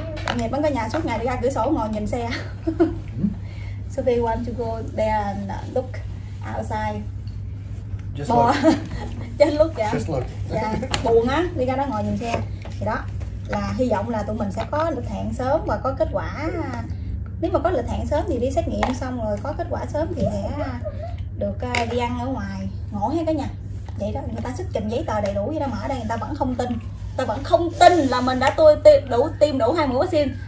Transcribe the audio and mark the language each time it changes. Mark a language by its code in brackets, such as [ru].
[vi] Anh Nhật vẫn ở nhà suốt ngày đi ra cửa sổ ngồi nhìn xe. [en] Sophie want to go there and look outside. Just look. Just look, yeah. Just look. Yeah. [vi] Buồn á, đi ra đó ngồi nhìn xe. Thì đó, là hy vọng là tụi mình sẽ có lịch hẹn sớm và có kết quả. Nếu mà có lịch hẹn sớm thì đi xét nghiệm xong rồi có kết quả sớm thì sẽ được đi ăn ở ngoài. Ngổ hay cả nhà. Vậy đó, người ta xuất trình giấy tờ đầy đủ vậy đó, mà ở đây người ta vẫn không tin. Tôi vẫn không tin là mình đã tiêm đủ 2 mũi vaccine.